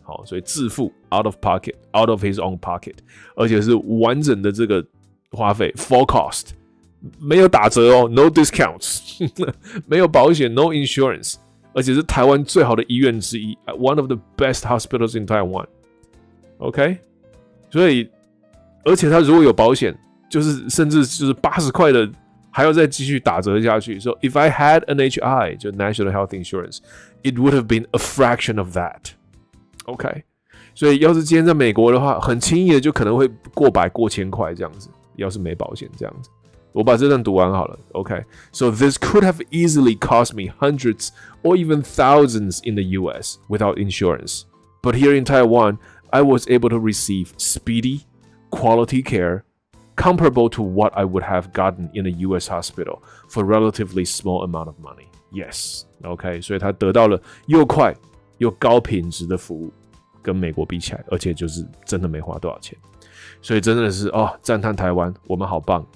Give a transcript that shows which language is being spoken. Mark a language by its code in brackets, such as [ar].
[zh] 好，所以自付 [en] out of pocket，out of his own pocket， [zh] 而且是完整的这个花费 ，full cost， 没有打折哦 ， [en] no discounts， [zh] 没有保险 ， [en] no insurance。 [zh] 而且是台湾最好的医院之一 ， [en] one of the best hospitals in Taiwan。 [zh] OK， 所以而且他如果有保险，就是甚至就是80块的，还要再继续打折下去。 [en] So if I had NHI， 就 National Health Insurance， it would have been a fraction of that。 [zh] OK， 所以要是今天在美国的话，很轻易的就可能会过百、过千块这样子。要是没保险这样子。我把这段读完好了 ，OK。 [en] So this could have easily cost me hundreds or even thousands in the U.S. without insurance. But here in Taiwan, I was able to receive speedy, quality care comparable to what I would have gotten in a U.S. hospital for a relatively small amount of money. Yes, OK。 [zh] 所以他得到了又快又高品质的服务，跟美国比起来，而且就是真的没花多少钱。所以真的是哦，赞叹台湾，我们好棒！